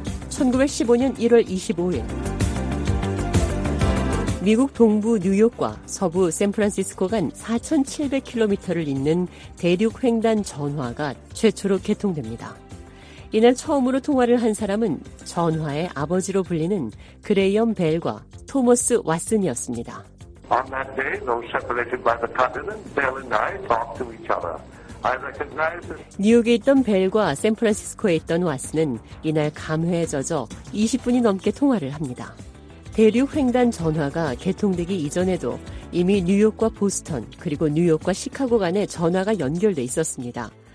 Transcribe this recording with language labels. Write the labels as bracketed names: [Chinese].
[Korean] 1915년 1월 25일 미국 동부 뉴욕과 서부 샌프란시스코 간 4,700km를 잇는 대륙 횡단 전화가 최초로 개통됩니다. 이날 처음으로 통화를 한 사람은 전화의 아버지로 불리는 그레이엄 벨과 토머스 왓슨이었습니다. [English] On that day, though separated by the continent, Bell and I talked to each other. [Korean] 뉴욕에 있던 벨과 샌프란시스코에 있던 왓슨은 이날 감회에 젖어 20분이 넘게 통화를 합니다. 대륙 횡단 전화가 개통되기 이전에도 이미 뉴욕과 보스턴 그리고 뉴욕과 시카고 간에 전화가 연결돼 있었습니다.